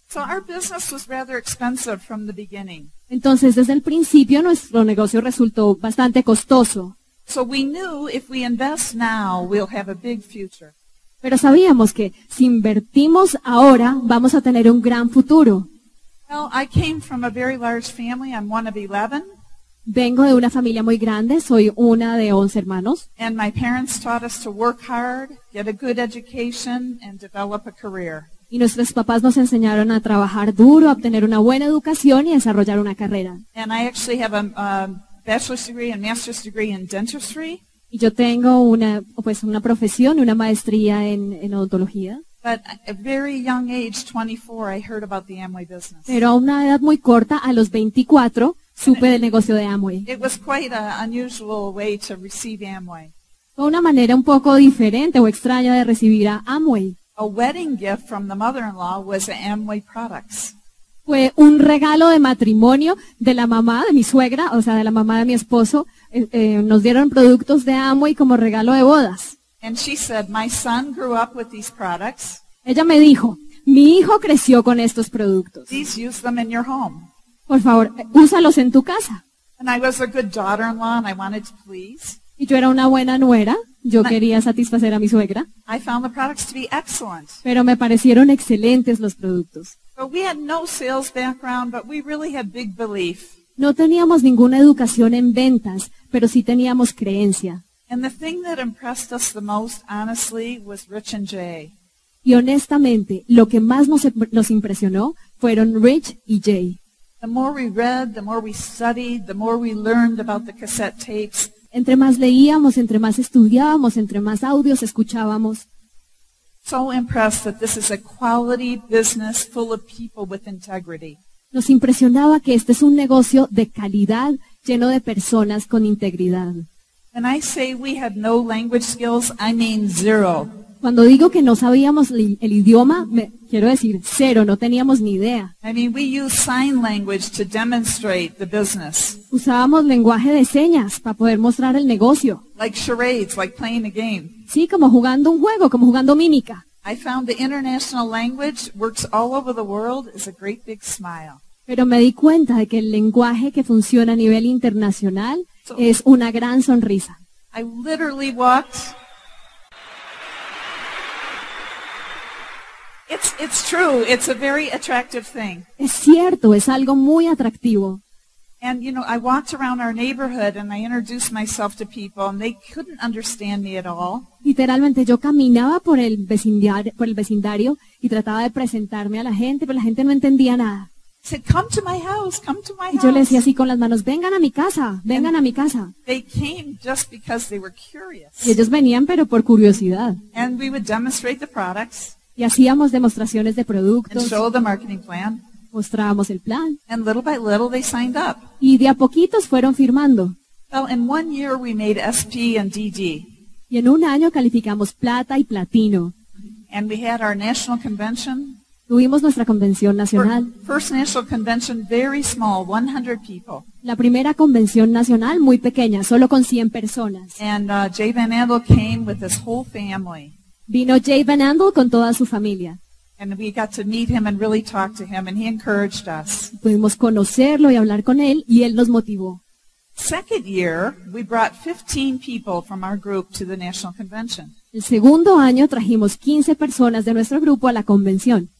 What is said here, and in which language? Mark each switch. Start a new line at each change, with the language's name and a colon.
English: So our business was rather expensive from the beginning.
Spanish: Entonces, desde el principio nuestro negocio resultó bastante costoso.
English: So we knew if we invest now, we'll have a big future.
Spanish: Pero sabíamos que si invertimos ahora, vamos a tener un gran futuro.
English: Well, I came from a very large family. I'm one of 11.
Spanish: Vengo de una familia muy grande, soy una de 11 hermanos.
English: And my parents taught us to work hard, get a good education, and develop a career.
Spanish: Y nuestros papás nos enseñaron a trabajar duro, a obtener una buena educación y a desarrollar una carrera.
English: And I actually have a bachelor's degree and master's degree in dentistry.
Spanish: Y yo tengo una profesión, una maestría en odontología.
English: But at a very young age, 24, I heard about the Amway business.
Spanish: Pero a una edad muy corta, a los 24, supe del negocio de Amway.
English: It was quite an unusual way to receive Amway.
Spanish: Fue una manera un poco diferente o extraña de recibir a Amway.
English: A wedding gift from the mother-in-law was Amway products.
Spanish: Fue un regalo de matrimonio de la mamá de mi suegra, o sea, de la mamá de mi esposo. Nos dieron productos de Amway como regalo de bodas.
English: And she said, my son grew up with these products.
Spanish: Ella me dijo, mi hijo creció con estos productos.
English: Please use them in your home.
Spanish: Por favor, úsalos en tu casa.
English: And I was a good daughter-in-law and I wanted to please.
Spanish: Y yo era una buena nuera. Yo quería satisfacer a mi suegra.
English: I found the products to be excellent.
Spanish: Pero me parecieron excelentes los productos.
English: But we had no sales background, but we really had big belief.
Spanish: No teníamos ninguna educación en ventas, pero sí teníamos creencia.
English: And the thing that impressed us the most, honestly, was Rich and Jay.
Spanish: Y honestamente, lo que más nos impresionó fueron Rich y Jay.
English: The more we read, the more we studied, the more we learned about the cassette tapes.
Spanish: Entre más leíamos, entre más estudiábamos, entre más audios escuchábamos.
English: So impressed that this is a quality business full of people with integrity.
Spanish: Nos impresionaba que este es un negocio de calidad lleno de personas con integridad.
English: When I say we had no language skills, I mean zero.
Spanish: Cuando digo que no sabíamos el idioma, quiero decir cero, no teníamos ni idea.
English: I mean, we use sign language to demonstrate the business.
Spanish: Usábamos lenguaje de señas para poder mostrar el negocio.
English: Like charades, like playing a game.
Spanish: Sí, como jugando un juego, como jugando mímica.
English: I found the international language works all over the world is a great big smile.
Spanish: Pero me di cuenta de que el lenguaje que funciona a nivel internacional es una gran sonrisa.
English: I literally walked. It's true. It's a very attractive thing.
Spanish: Es cierto, es algo muy atractivo.
English: And you know, I walked around our neighborhood and I introduced myself to people and they couldn't understand me at all.
Spanish: Literalmente yo caminaba por el vecindario y trataba de presentarme a la gente, pero la gente no entendía nada.
English: Said, come to my house, come to my house.
Spanish: Y yo le decía así con las manos, vengan a mi casa, vengan a mi casa.
English: They came just because they were curious.
Spanish: Y ellos venían pero por curiosidad.
English: And we would demonstrate the products.
Spanish: Y hacíamos demostraciones de productos.
English: And show the marketing plan.
Spanish: Mostrábamos el plan.
English: And little by little they signed up.
Spanish: Y de a poquitos fueron firmando.
English: Well, in 1 year we made SP and DD.
Spanish: Y en un año calificamos plata y platino.
English: And we had our national convention.
Spanish: Tuvimos nuestra convención nacional.
English: First national convention, very small, 100 people.
Spanish: La primera convención nacional, muy pequeña, solo con 100 personas.
English: And Jay Van Andel came with his whole family.
Spanish: Vino Jay Van Andel con toda su familia.
English: And we got to meet him and really talk to him, and he encouraged us.
Spanish: Pudimos conocerlo y hablar con él, y él nos motivó.
English: Second year, we brought 15 people from our group to the national convention.
Spanish: El segundo año trajimos 15 personas de nuestro grupo a la convención.